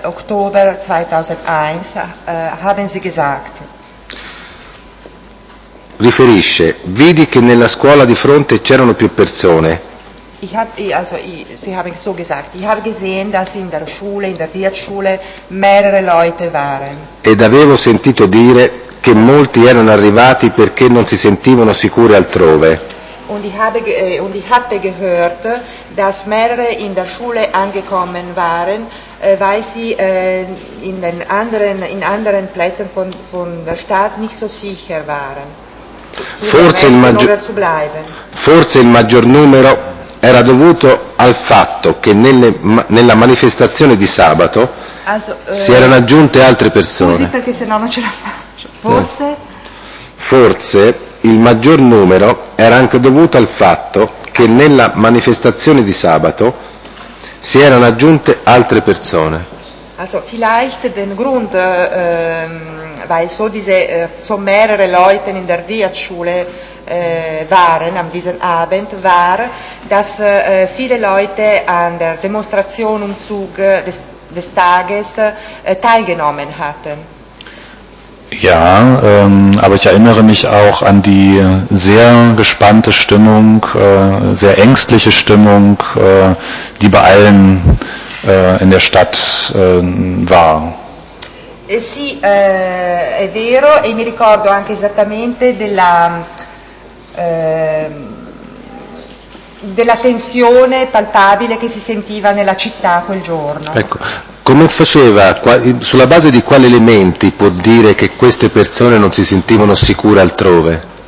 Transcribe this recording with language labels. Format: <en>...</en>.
<de>Oktober 2001 haben Sie gesagt.</de> <it>Riferisce, vidi che nella scuola di fronte c'erano più persone.</it> <de>Sie haben so gesagt, ich habe gesehen, dass in der Diaz-Schule mehrere Leute waren.</de> <it>Ed avevo sentito dire che molti erano arrivati perché non si sentivano sicuri altrove.</it> <de>Und ich hatte gehört, dass mehrere in der Schule angekommen waren, weil sie in anderen Plätzen von der Stadt nicht so sicher waren.</de> <it>Forse il maggior numero era dovuto al fatto che nella manifestazione di sabato si erano aggiunte altre persone. Così, perché sennò non ce la faccio. Forse. Forse il maggior numero era anche dovuto al fatto che nella manifestazione di sabato si erano aggiunte altre persone.</it> <de>Also vielleicht den Grund, weil so diese so mehrere Leute in der Diakonie waren an diesem Abend, war, dass viele Leute an der Demonstration und Zug des Tages teilgenommen hatten. Ja, aber ich erinnere mich auch an die sehr gespannte Stimmung, sehr ängstliche Stimmung, die bei allen in der Stadt war.</de> <it>Sì, è vero, e mi ricordo anche esattamente della tensione palpabile che si sentiva nella città quel giorno. Ecco. Come faceva, sulla base di quali elementi può dire che queste persone non si sentivano sicure altrove?</it>